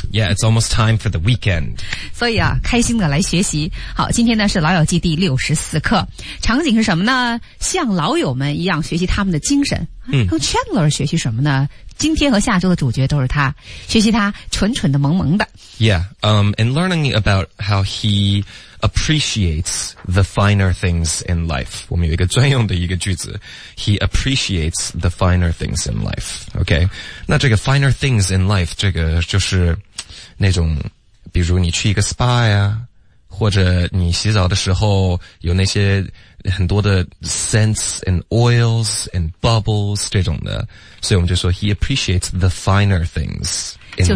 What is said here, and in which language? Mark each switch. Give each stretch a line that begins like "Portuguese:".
English: Yeah, it's almost time for the weekend.
Chinese: 所以啊，开心的来学习。好，今天呢是老友记第64课。场景是什么呢？像老友们一样学习他们的精神。和Chandler 学习什么呢？今天和下周的主角都是他，学习他蠢蠢的萌萌的。
English: Yeah, and learning about how he appreciates the finer things in life.
Chinese: 我们有一个专用的一个句子。
English: He appreciates the finer things in life. Okay?
Chinese: 那这个
English: finer things in life,
Chinese: 这个就是那种比如你去一个 spa 呀，或者你洗澡的时候有那些很多的
English: scents and oils and bubbles
Chinese: 这种的，所以我们就说
English: he appreciates the finer things in life，